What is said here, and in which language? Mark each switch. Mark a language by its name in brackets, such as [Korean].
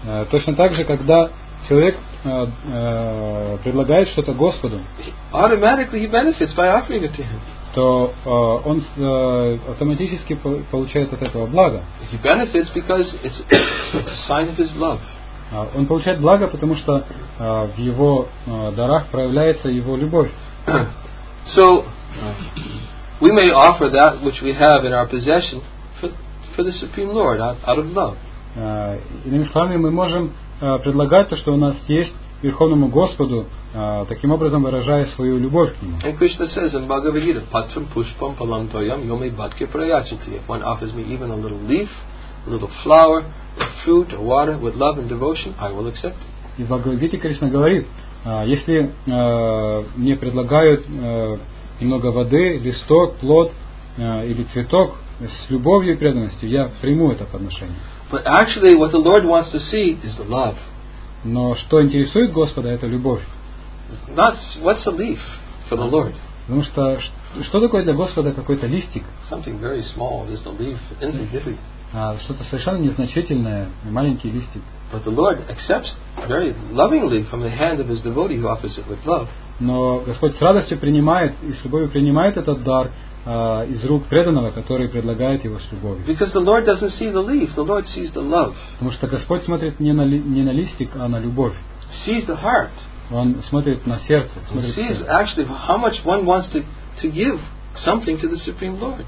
[Russian] Точно так же, когда человек предлагает что-то Господу, [English] automatically he benefits by offering it to him. [Russian] То он автоматически получает от этого благо. [English] He benefits because it's a sign of his love. [Russian] Он получает благо, потому что в его дарах проявляется его любовь. [English] So we may offer that which we have in our possession for the Supreme Lord out of love. [Russian] Иными словами, мы можем предлагать то, что у нас есть, Верховному Господу, таким образом выражая свою любовь к Нему. [English] And Krishna says in Bhagavad Gita, [Sanskrit] Patram Pushpam Palam Toyam Yomi Bhatke Prayachati. [English] If one offers me even a little leaf, a little flower, a fruit, a water, with love and devotion, I will accept it. [Russian] И в Бхагавад Гите Кришна говорит, если мне предлагают немного воды, листок, плод или цветок с любовью и преданностью, я приму это подношение. [English] But actually, what the Lord wants to see is the love. [Russian] Но что интересует Господа, это любовь. [English] Not what's a leaf for the Lord. [Russian] Потому что что такое для Господа какой-то листик? [English] Something very small, just a leaf, insignificant. [Russian] Что-то совершенно незначительное, маленький листик. [English] But the Lord accepts very lovingly from the hand of His devotee who offers it with love. [Russian] Но Господь с радостью принимает и с любовью принимает этот дар из рук преданного, который предлагает его с любовью. [English] Because the Lord doesn't see the leaf, the Lord sees the love. [Russian] Потому что Господь смотрит не на листик, а на любовь. [English] Sees the heart. [Russian] Он смотрит на сердце. Смотрит [English] He sees actually how much one wants to give something to the Supreme Lord.